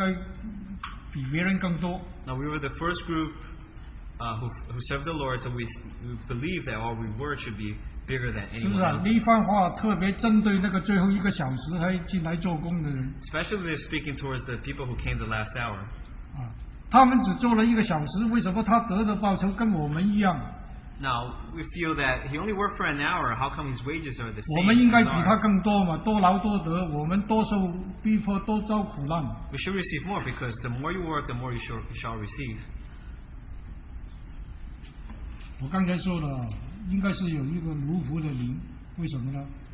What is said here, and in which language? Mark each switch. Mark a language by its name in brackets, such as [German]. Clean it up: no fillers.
[Chinese] 我们是第一批跟随主的，我们应该得的报酬应该比别人更多。 [English] Now we were the first group who served the Lord, so we believe that our reward should be bigger than anyone else. Especially they're speaking towards the people who came the last hour. Now, we feel that he only worked for an hour, how come his wages are the same? [Chinese] 我们应该比他更多嘛，多劳多得，我们多受逼迫，多遭苦难。 [English] We should receive more because the more you work, the more you shall receive. [Chinese] 我刚才说了, 应该是有一个奴仆的灵，为什么呢？